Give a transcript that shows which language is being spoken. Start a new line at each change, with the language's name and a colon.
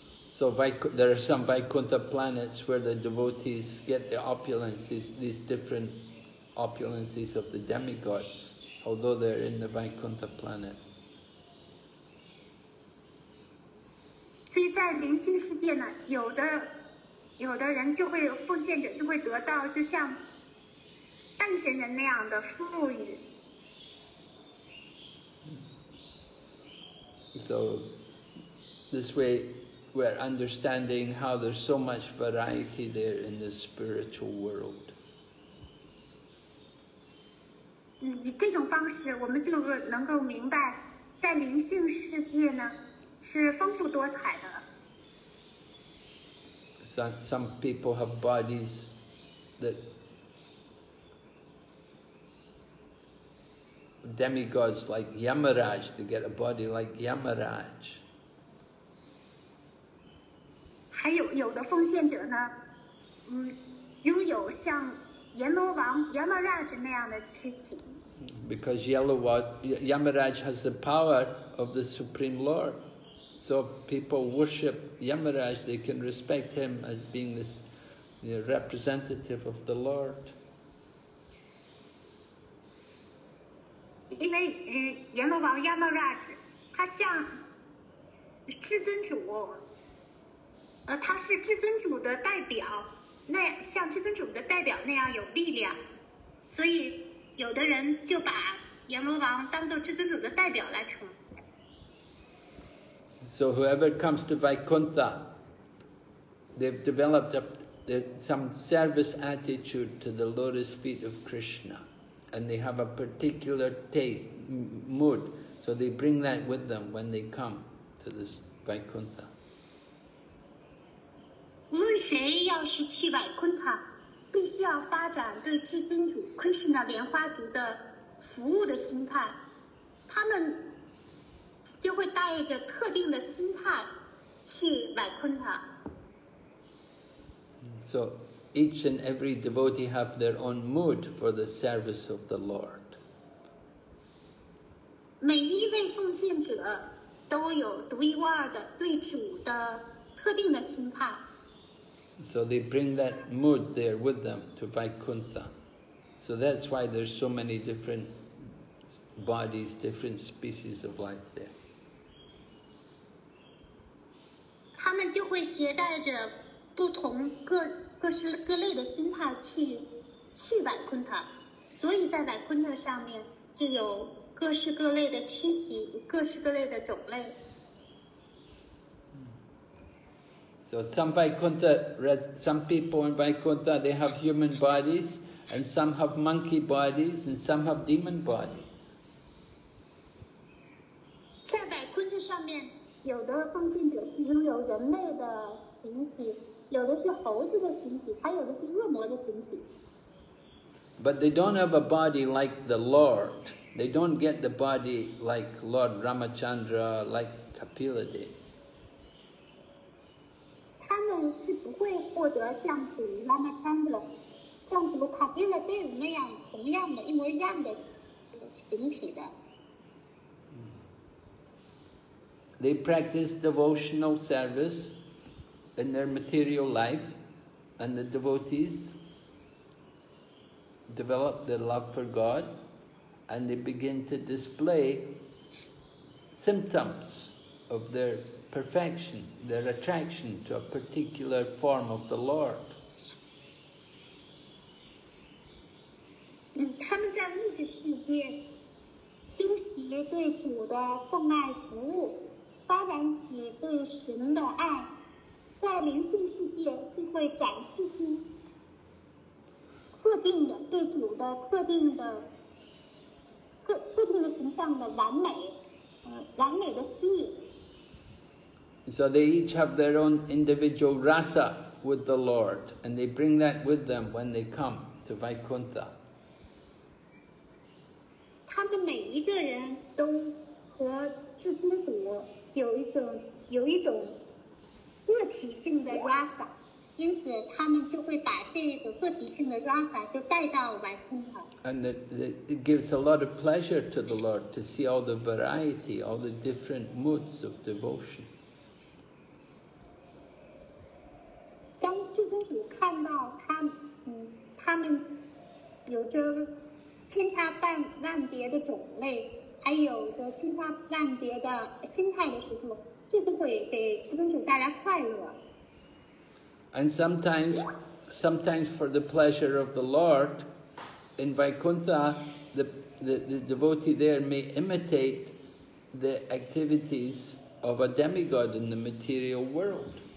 English: So there are some Vaikuntha planets where the devotees get the opulence, these differentopulences of the demigods, although they're in the Vaikuntha planet.
Chinese: 所以在灵性世界呢，有的人就会奉献者就会得到就像半神人那样的富裕。
English: So this way we're understanding how there's so much variety there in the spiritual world.
Chinese: 以这种方式我们就能够明白在灵性世界呢是丰富多彩的。
English: Some people have bodies that demigods like Yamaraj, they get a body like Yamaraj.
Chinese: 还有的奉献者呢拥有像阎罗王 Yamaraj 那样的躯体。
English: Because Yamaraj has the power of the Supreme Lord. So people worship Yamaraj, they can respect him as being this, you know, representative of the Lord.
Chinese: 因为阎罗王 Yamaraj 他像至尊主，他是至尊主的代表，那像至尊主的代表那样有力量，所以有的人就把阎罗王当作至尊主的代表来崇拜。
English: So whoever comes to Vaikuntha, they've developed some service attitude to the lotus feet of Krishna, and they have a particular mood, so they bring that with them when they come to this Vaikuntha.
Chinese: 无论谁要是去 Vaikuntha, 必须要发展对至尊主 Krishna 莲花族的服务的心态，他们就会带着特定的心态去 Vaikuntha。
English: So each and every devotee have their own mood for the service of the Lord.
Chinese: 每一位奉献者都有独一无二的对主的特定的心态。
English: So they bring that mood there with them to Vaikuntha. So that's why there's so many different bodies, different species of life there.
Chinese: 他们就会携带着不同各类的心态去百昆塔，所以在百昆塔上面就有各式各类的躯体，各式各类的种类。
English: So some people in Vaikuntha, they have human bodies, and some have monkey bodies, and some have demon bodies.
Chinese: 在百昆塔上面，有的奉献者是拥有人类的形体。有的是猴子的形体，还有的是恶魔的形体。
English: But they don't have a body like the Lord. They don't get the body like Lord Ramachandra, like Kapila did.
Chinese: 他们是不会获得像主 Ramachandra, 像主 Kapila
English: did
Chinese: 那样同样的一模一样的形体的。
English: They practice devotional service. In their material life, and the devotees develop their love for God, and they begin to display symptoms of their perfection, their attraction to a particular form of the Lord.
Chinese: 他们在物质世界修习对主的奉爱服务，发展起对神的爱。在灵性世界就会展示出特定的对主的特定的形象的完美的吸引。
English: So they each have their own individual rasa with the Lord, and they bring that with them when they come to Vaikuntha.
Chinese: 他们每一个人都和至尊主有一种个体性的 rasa, 因此他们就会把这个个体性的 rasa 就带到外空头。
English: And it gives a lot of pleasure to the Lord to see all the variety, all the different moods of devotion.
Chinese: 当至尊主看到他们有着千差万别的种类，还有着千差万别的心态的时候。
English: And sometimes for the pleasure of the Lord, in Vaikuntha, the devotee there may imitate the activities of a demigod in the material world.